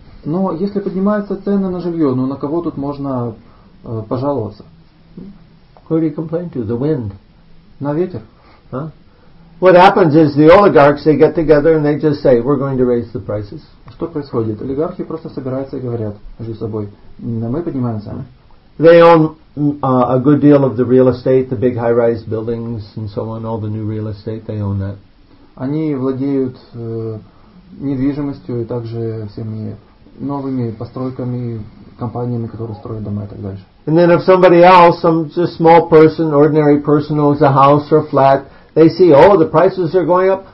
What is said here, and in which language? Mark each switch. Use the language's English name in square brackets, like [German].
[Russian] Но если поднимаются цены на жилье, ну на кого тут можно пожаловаться? [English] Who do you complain to? The wind. [Russian] На ветер. [English] What happens is the oligarchs, they get together and they just say, we're going to raise the prices. [Russian] Что происходит? Олигархи просто собираются и говорят между собой, мы поднимаем цены. [English] They own a good deal of the real estate, the big high-rise buildings and so on, all the new real estate, they own that. [Russian] Они владеют недвижимостью и также всеми новыми постройками, компаниями, которые строят дома и так дальше. [English] And then if somebody else, some just small person, ordinary person owns a house or flat, they see, oh, the prices are going up.